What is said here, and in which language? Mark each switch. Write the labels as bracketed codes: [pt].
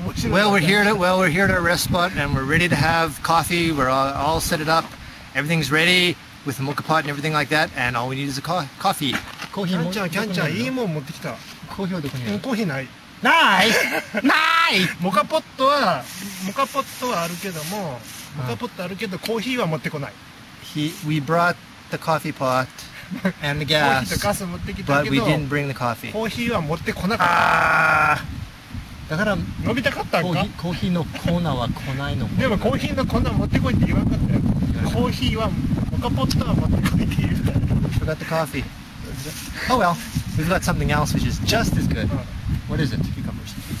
[en] Well, we're here at our rest spot, and we're ready to have coffee. We're all set it up. Everything's ready with the moka pot and everything like that. And all we need is a coffee. Coffee. [ja] キャンちゃん、いいもん持ってきた。コーヒーはどこにある？コーヒーない。ない。ない。モカポットはあるけども、モカポットあるけどコーヒーは持ってこない。 [en] We brought the coffee pot and the gas. [ja] コーヒーとガス持ってきたけど、 [en] but we didn't bring the coffee. [ja] コーヒーは持ってこなかった。だから伸びたかったんか。コーヒーの粉は来ないの。でもコーヒーの粉持ってこいって言わなかったよ。コーヒーはモカポットは持ってこいって言った。 [en] Forgot the coffee. Oh well, we've got something else which is just as good. What is it? Cucumbers.